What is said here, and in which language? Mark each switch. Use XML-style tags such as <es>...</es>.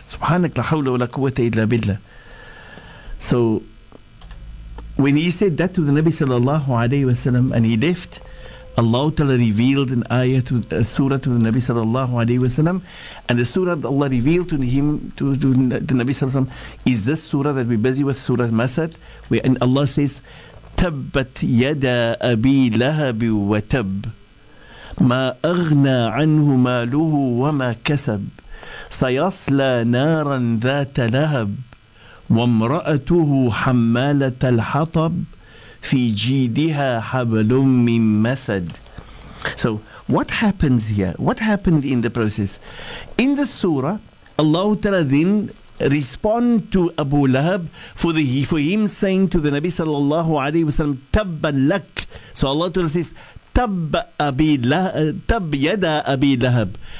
<ar>Subhanak la hawla wa la quwwata illa billah.</ar> <en>So when he said that to the Nabi sallallahu alayhi wa sallam and he left, Allah Ta'ala revealed an ayah to a surah to the Nabi sallallahu alayhi wa sallam, and the surah that Allah revealed to him to the Nabi sallallahu alayhi wa sallam is this surah that we're busy with, Surah Masad, where and Allah says,</en> <ar>Tabbat yada abi lahabi wa tab. ما أغنى عنه ماله وما كسب سيصلى نارا ذات لهب وامرأته حمالة الحطب في جيدها حبل من مسد.</ar> <en>So what happens here? What happened in the process? In the surah, Allah Ta'ala then respond to Abu Lahab for him saying to the Nabi sallallahu alayhi wa sallam,</en> <ar>Tabban lak.</ar> <en>So Allah Ta'ala says,</en> <ar>Tab yada Abi Lahab.</ar>